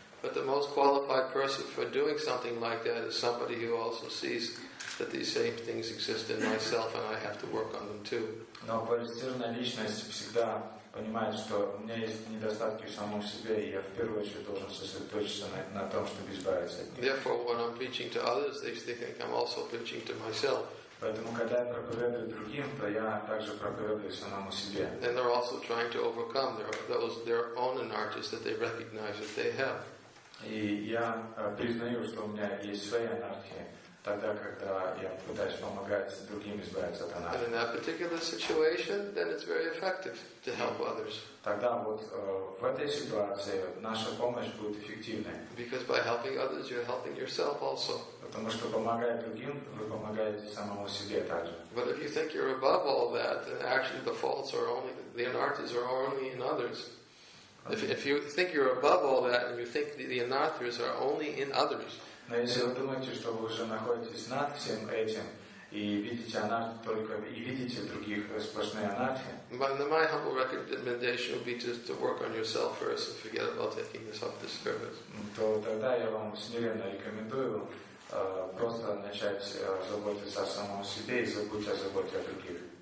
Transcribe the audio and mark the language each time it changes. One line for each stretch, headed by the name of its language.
English: But the most qualified person for doing something like that is somebody who also sees that these same things exist in myself and I have to work on them too.
Russian: Но квалифицированная личность всегда понимает, что у меня есть недостатки в самом себе, и я в первую очередь должен сосредоточиться на том, чтобы избавиться от них.
English: Therefore, when I'm preaching to others, they think I'm also preaching to myself.
Russian: Поэтому, когда я проповедую другим, то я также проповедую самому себе.
English: And they're also trying to overcome their own anarthas that they recognize that they have.
Russian: И я признаю, что у меня есть свои анархи, тогда, когда я пытаюсь помогать другим избавиться от анархи.
English: And in that particular situation, then it's very effective to help others.
Russian: Тогда вот в этой ситуации наша помощь будет эффективной.
English: Because by helping others, you're helping yourself also.
Russian: Потому что помогая другим, вы помогаете самому себе также.
English: But if you think you're above all that, then actually the faults are only, the anarthas are only in others. If you think you're above all that and you think the anarthas are only in others.
Russian: Но если вы думаете, что вы уже находитесь над всем этим и видите анарх только и видите других сплошные анархи.
English: But my humble recommendation would be just to work on yourself first and forget about taking this up this service.
Russian: То тогда я вам смиренно рекомендую просто начать заботиться о самом себе и забыть о заботе о других.